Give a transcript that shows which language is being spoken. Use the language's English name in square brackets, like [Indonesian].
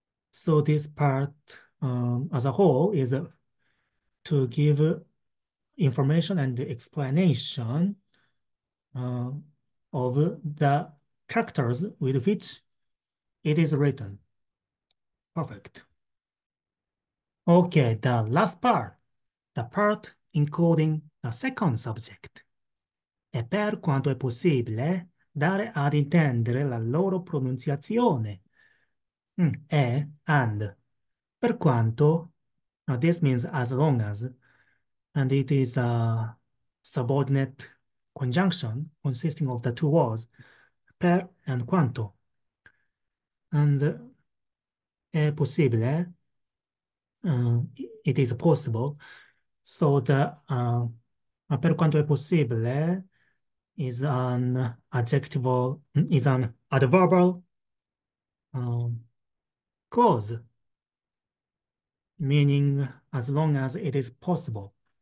[English] So this part as a whole is to give information and explanation of the characters with which it is written. Perfect. Okay, the last part, the part including the second subject. [Italian] E per quanto è possibile dare ad intendere la loro pronunciazione. E, [English] and, [Italian] per quanto, [English] this means as long as, and it is a subordinate conjunction consisting of the two words, per and quanto. And [Italian] è possibile, [English] it is possible, so the [Italian] per quanto è possibile [English] is an adjectival, is an adverbial clause, meaning as long as it is possible.